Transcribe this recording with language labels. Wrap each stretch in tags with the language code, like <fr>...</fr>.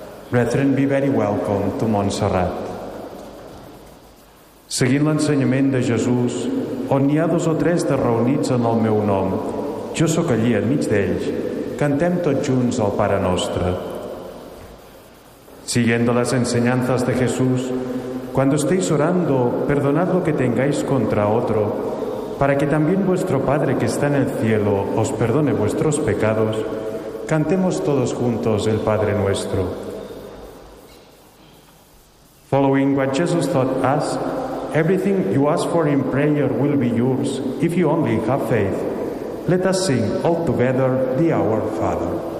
<en>Brethren, be very welcome to Montserrat.</en> <ca>Seguint l'ensenyament de Jesús, on hi ha dos o tres de reunits en el meu nom, jo sóc allí enmig d'ells, cantem tots junts el Pare Nostre.</ca> <es>Siguiendo las enseñanzas de Jesús, cuando estéis orando, perdonad lo que tengáis contra otro, para que también vuestro Padre que está en el cielo os perdone vuestros pecados, cantemos todos juntos el Padre Nuestro.</es> <en>Following what Jesus taught us, everything you ask for in prayer will be yours if you only have faith. Let us sing all together the Our Father.</en>